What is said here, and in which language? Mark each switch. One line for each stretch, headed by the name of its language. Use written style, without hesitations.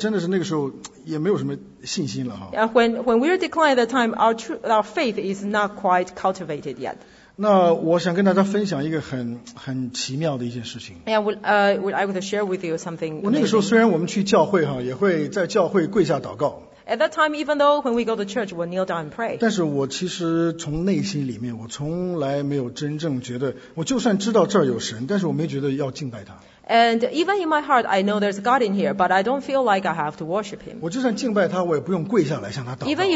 Chinese: 我们三月被拒绝的时候，其实我真的是那个时候也没有什么信心了哈。When
English: we're declined at that time, our faith is not quite cultivated yet.
Chinese: 那我想跟大家分享一个很奇妙的一件事情。Yeah,
English: I would share with you something.
Chinese: 我那个时候虽然我们去教会哈，也会在教会跪下祷告。At
English: that time, even though when we go to church, we kneel down and pray.
Chinese: 但是我其实从内心里面，我从来没有真正觉得，我就算知道这儿有神，但是我没觉得要敬拜他。And
English: even in my heart, I know there's God in here, but I don't feel like I have to worship Him.
Chinese: 我就算敬拜他，我也不用跪下来向他祷告。Even